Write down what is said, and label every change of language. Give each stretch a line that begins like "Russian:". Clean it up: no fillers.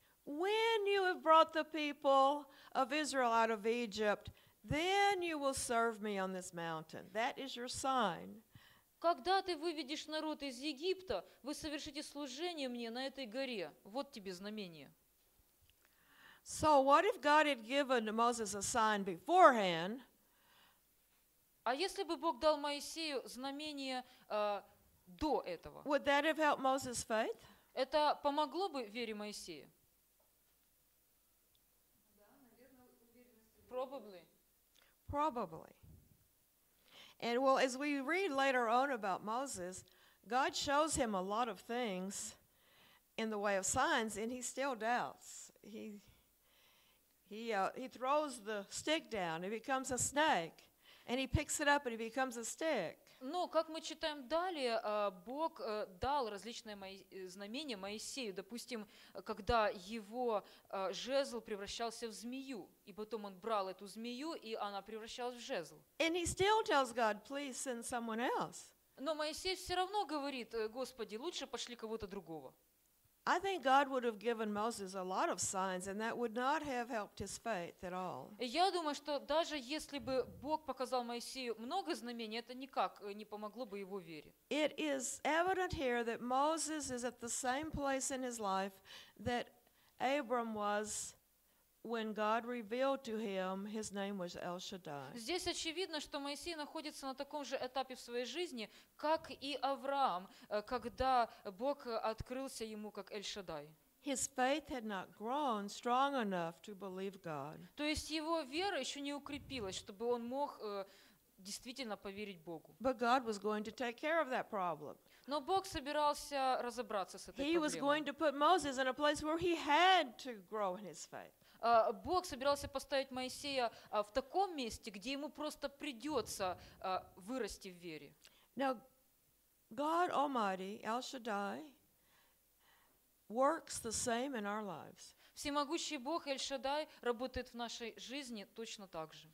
English: When you have brought the people of Israel out of Egypt, then you will serve me on this mountain. That is your sign.
Russian: Когда ты выведешь народ из Египта, вы совершите служение мне на этой горе. Вот тебе знамение.
English: So what if God had given Moses a sign beforehand?
Russian: А если бы Бог дал Моисею знамение до этого?
English: Would that have helped Moses' faith?
Russian: Это помогло бы вере Моисея? Да, наверное,
English: probably. Probably. And well, as we read later on about Moses, God shows him a lot of things in the way of signs, and he still doubts. He throws the stick down, it becomes a snake, and he picks it up, and it becomes a stick.
Russian: Но, как мы читаем далее, Бог дал различные знамения Моисею. Допустим, когда его жезл превращался в змею, и потом он брал эту змею, и она превращалась в жезл.
English: And he still tells God, please send someone else.
Russian: Но Моисей все равно говорит, Господи, лучше пошли кого-то другого.
English: I think God would have given Moses a lot of signs, and that would not have helped his faith at all.
Russian: Я думаю, что даже если бы Бог показал Моисею много знамений, это никак не помогло бы его вере.
English: It is evident here that Moses is at the same place in his life that Abram was when God revealed to him his name was El Shaddai.
Russian: Здесь очевидно, что Моисей находится на таком же этапе в своей жизни, как и Авраам, когда Бог открылся ему как Эль-Шаддай.
English: His faith had not grown strong enough to believe God.
Russian: То есть его вера еще не укрепилась, чтобы он мог действительно поверить Богу.
English: But God was going to take care of that problem.
Russian: Но Бог собирался разобраться с этой проблемой.
English: He was going to put Moses in a place where he had to grow in his faith.
Russian: Бог собирался поставить Моисея в таком месте, где ему просто придется вырасти в вере.
English: Now, God Almighty, El Shaddai, works the same in our lives.
Russian: Всемогущий Бог Эль-Шаддай работает в нашей жизни точно так же.